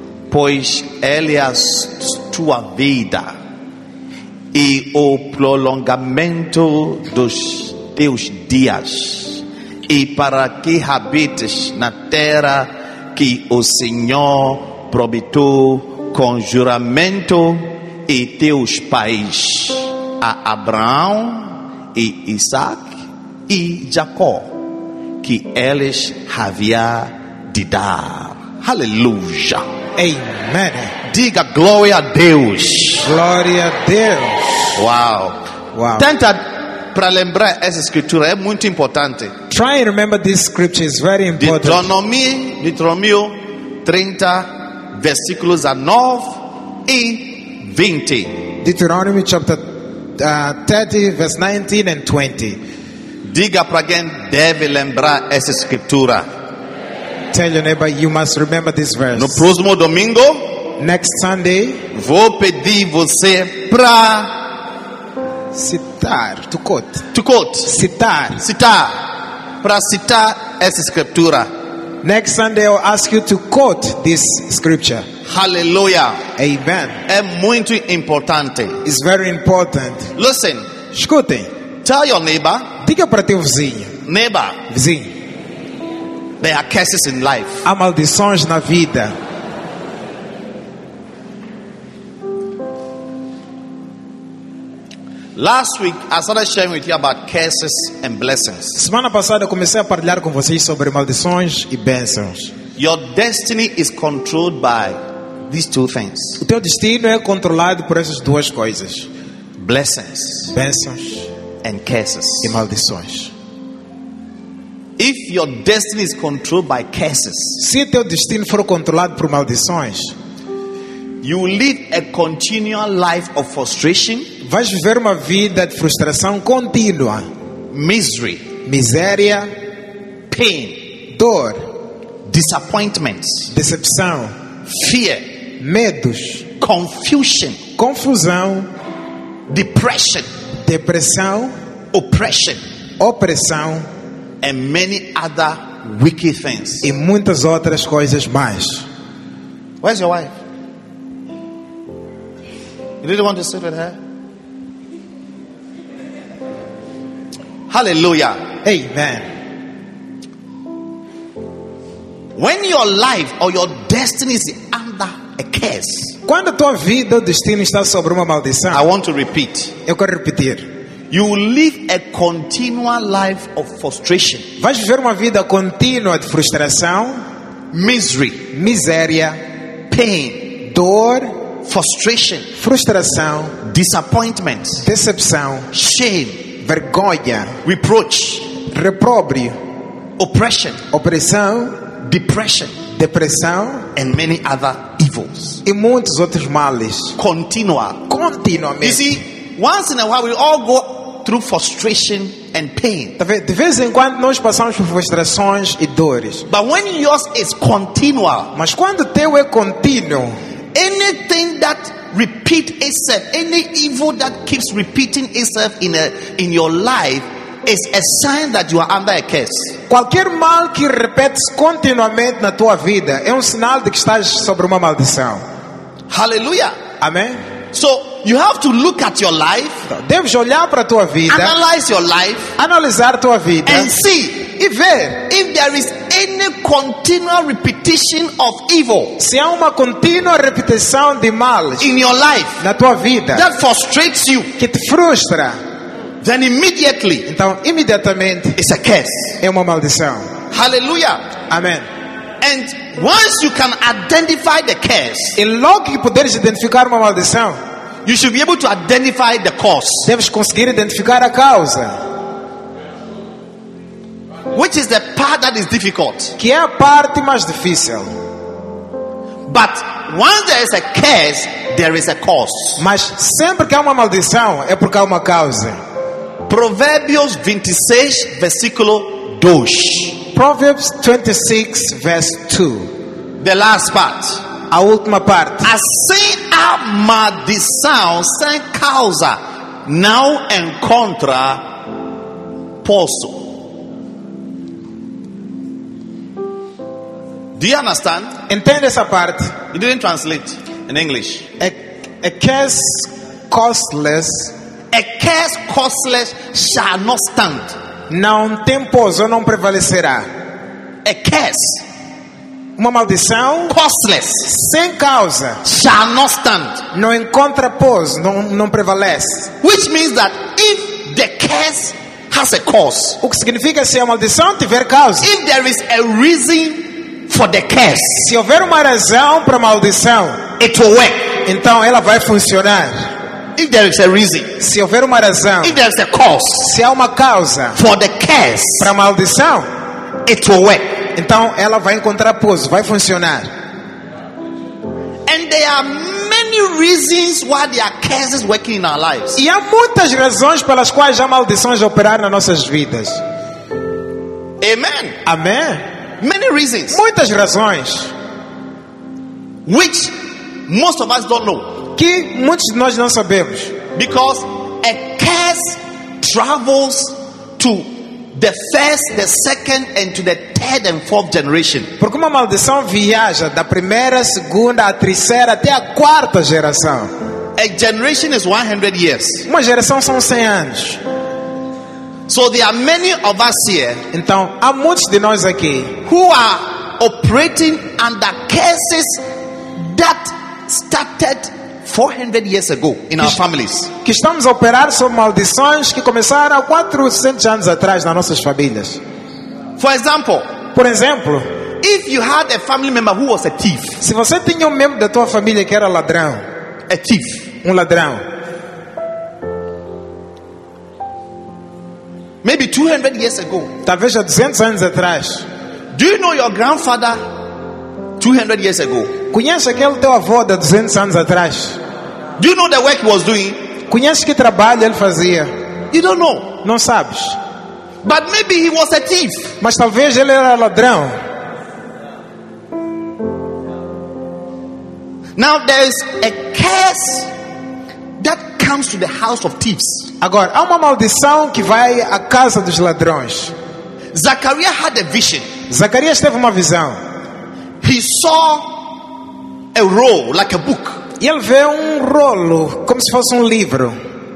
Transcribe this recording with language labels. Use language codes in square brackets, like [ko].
[pt] pois Ele é a tua vida e o prolongamento dos teus dias, e para que habites na terra que o Senhor prometeu com juramento e teus pais, a Abraão e Isaac e Jacó, que eles havia de dar. Aleluia. Amen. Diga glória a Deus. Glória a Deus. Uau. Uau. Tenta para lembrar essa escritura, é muito importante. [en] Try and remember this scripture, is very important. [pt] Deuteronomy 30, versículos 9 e 20. [en] Deuteronomy chapter 30, verse 19 and 20. [pt] Diga para quem deve lembrar essa escritura. [en] Tell your neighbor, you must remember this verse. [pt] No próximo domingo, [en] next Sunday, [pt] vou pedir você para citar, [en] to quote. To quote. [pt] Citar. Citar. Para citar essa escritura. [en] Next Sunday I'll ask you to quote this scripture. Hallelujah. Amen. [pt] É muito importante. [en] It's very important. Listen. [pt] Escute. [en] Tell your neighbor. [pt] Diga para teu vizinho. [en] Neighbor. [pt] Vizinho. [en] There are curses in life. [pt] Há maldições na vida. [en] Last week I started sharing with you about curses and blessings. [pt] Semana passada eu comecei a partilhar com vocês sobre maldições e bênçãos. [en] Your destiny is controlled by these two things. [pt] O teu destino é controlado por essas duas coisas. [en] Blessings, [pt] bênçãos, [en] and curses, [pt] e maldições. [en] If your destiny is controlled by curses, [pt] se teu destino for controlado por maldições, [en] you live a continual life of frustration. [pt] Vais viver uma vida de frustração contínua. [en] Misery. [pt] Miséria. [en] Pain. [pt] Dor. [en] Disappointments. [pt] Decepção. [en] Fear. [pt] Medos. [en] Confusion. [pt] Confusão. [en] Depression. [pt] Depressão. [en] Oppression. [pt] Opressão. [en] And many other wicked things. [pt] E muitas outras coisas mais. [en] Where's your wife? You didn't want to sit with her? Hallelujah. Amen. When your life or your destiny is under a curse. [pt] Quando tua vida ou destino está sobre uma maldição. [en] I want to repeat. [pt] Eu quero repetir. [en] You will live a continual life of frustration. [pt] Vais viver uma vida contínua de frustração, [en] misery, [pt] miséria, [en] pain, [pt] dor, [en] frustration, [pt] frustração, [en] disappointment, [pt] decepção, [en] shame, [pt] vergonha, [en] reproach, [pt] repróbrio, [en] oppression, [pt] opressão, [en] depression, [pt] depressão, [en] and many other evils. [pt] E muitos outros males. [en] Continual. [pt] Continuamente. [en] Once in a while, we all go through frustration and pain. [pt] De vez em quando nós passamos por frustrações e dores. [en] But when yours is continual, [pt] mas quando teu é contínuo, [en] anything that repeats itself, any evil that keeps repeating itself in your life, is a sign that you are under a curse. [pt] Qualquer mal que repete continuamente na tua vida é sinal de que estás sobre uma maldição. [en] Hallelujah. [pt] Amém. [en] So you have to look at your life. [pt] Deves olhar para tua vida. [en] Analyze your life. [pt] Analisar tua vida. [en] And see if [pt] ver [en] if there is any continual repetition of evil. [pt] Se há uma contínua repetição de mal [en] in your life. [pt] Na tua vida. [en] That frustrates you. [pt] Que te frustra. [en] Then immediately. [pt] Então imediatamente. [en] It's a curse. [pt] É uma maldição. [en] Hallelujah. Amen. And once you can identify the curse, [pt] e logo que puderes identificar uma maldição, [en] you should be able to identify the cause. [pt] Deves conseguir identificar a causa. [en] Which is the part that is difficult? [pt] Que é a parte mais difícil. [en] But once there is a curse, there is a cause. [pt] Mas sempre que há uma maldição, é porque há uma causa. Proverbios 26, versículo 2. [en] Proverbs 26 verse 2. The last part. [pt] A última parte. Assim a maldição sem causa não encontra poço. [en] Do you understand? [pt] Entende essa parte? [en] You didn't translate in English. A curse causeless shall not stand. [pt] Não tem poço, não prevalecerá. [en] A curse, [pt] uma maldição, [en] causeless, [pt] sem causa, [en] shall not stand. [pt] Não encontra pos, não prevalece. [en] Which means that if the curse has a cause, [pt] o que significa se a maldição tiver causa? [en] If there is a reason for the curse, [pt] se houver uma razão para a maldição, [en] it will work. [pt] Então ela vai funcionar. [en] If there is a reason, [pt] se houver uma razão, [en] if there is a cause, [pt] se há uma causa, [en] for the curse, [pt] para a maldição, [en] it will work. [pt] Então ela vai encontrar pouso, vai funcionar. [en] And there are many reasons why there are curses working in our lives. [pt] E há muitas razões pelas quais há maldições operar nas nossas vidas. [en] Amen. [pt] Amém. [en] Many reasons. [pt] Muitas razões. [en] Which most of us don't know. [pt] Que muitos de nós não sabemos. [en] Because a curse travels to the first, the second, and to the third and fourth generation. [pt] Porque uma maldição viaja da primeira, segunda, a terceira até a quarta geração. [en] A generation is 100 years. [pt] Uma geração são 100 anos. [en] So there are many of us here. [pt] Então há muitos de nós aqui [en] who are operating under curses that started 400 years ago in our families. [pt] Que estamos a operar sobre maldições que começaram há 400 anos atrás nas nossas famílias. [en] For example, [pt] por exemplo, [en] if you had a family member who was a thief, [pt] se você tinha membro da tua família que era ladrão, [en] a thief, [pt] ladrão, [en] maybe 200 years ago, [pt] talvez há 200 anos atrás, [en] do you know your grandfather 200 years ago? [pt] Conhece aquele teu avô de 200 anos atrás? [en] Do you know the work he was doing? [pt] Conhece que trabalho ele fazia? [en] You don't know. [pt] Não sabes. [en] But maybe he was a thief. [pt] Mas talvez ele era ladrão. [en] Now there is a curse that comes to the house of thieves. [pt] Agora há uma maldição que vai à casa dos ladrões. [en] Zachariah had a vision. [pt] Zacarias teve uma visão. [en] He saw a roll, like a book. [pt] Ele vê um rolo, como se fosse um livro.